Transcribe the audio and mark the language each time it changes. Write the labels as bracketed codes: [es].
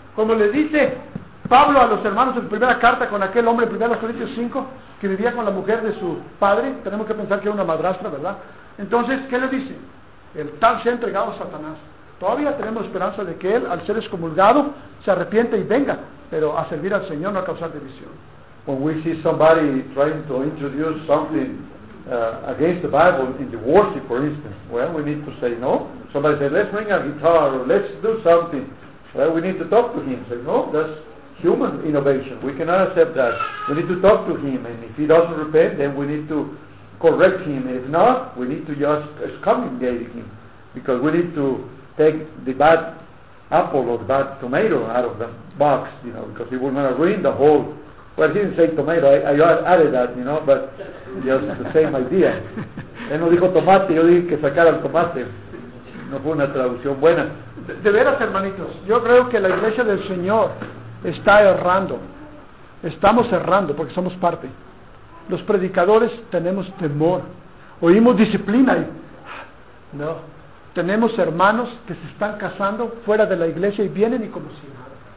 [es] Como le dice Pablo a los hermanos en su primera carta con aquel hombre, en 1 Corintios 5, que vivía con la mujer de su padre, tenemos que pensar que era una madrastra, ¿verdad? Entonces, ¿qué le dice? El tal se ha entregado a Satanás. Todavía tenemos esperanza de que él, al ser excomulgado, se arrepiente y venga, pero a servir al Señor, no a causar división. [en] When we see somebody trying to introduce something against the Bible in the worship, for instance, well, we need to say no. Somebody says, let's bring a guitar, or let's do something. Well, we need to talk to him. Say, no, that's human innovation. We cannot accept that. We need to talk to him. And if he doesn't repent, then we need to correct him. And if not, we need to just excommunicate him. Because we need to take the bad apple or the bad tomato out of the box, you know, because he will not ruin the whole. Well, he didn't say tomato. I added that, you know, but just the same idea. [es] Él no dijo tomate, yo dije que sacara el tomate. No fue una traducción buena. De veras, hermanitos, yo creo que la iglesia del Señor está errando. Estamos errando porque somos parte. Los predicadores tenemos temor. Oímos disciplina y no. Tenemos hermanos que se están casando fuera de la iglesia y vienen y como si nada.